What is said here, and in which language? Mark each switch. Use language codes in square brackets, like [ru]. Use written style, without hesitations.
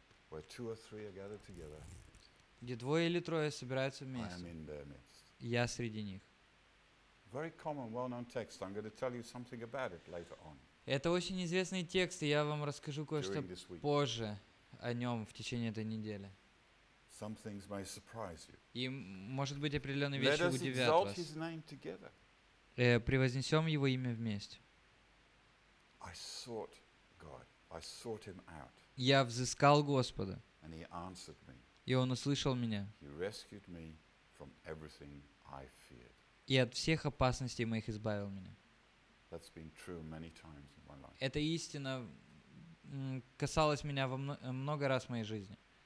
[en] Where two or three are gathered together. [ru] Где двое или трое собираются вместе. Я среди них. [en] Very common, well-known text. I'm going to tell you something about it later on. [ru] Это очень известный текст, и я вам расскажу кое-что позже о нем в течение этой недели. [en] Some things may surprise you. [ru] И, может быть, определенные вещи удивят вас. [en] Let us exalt His name together. [ru] Превознесем Его имя вместе. [en] I sought God. I sought Him out. [ru] Я взыскал Господа. [en] And He answered me. [ru] И Он услышал меня. [en] He rescued me from everything I feared. [ru] И от всех опасностей моих избавил меня. [en] That's been true many times in my life. [ru] Эта истина касалась меня во много раз в моей жизни.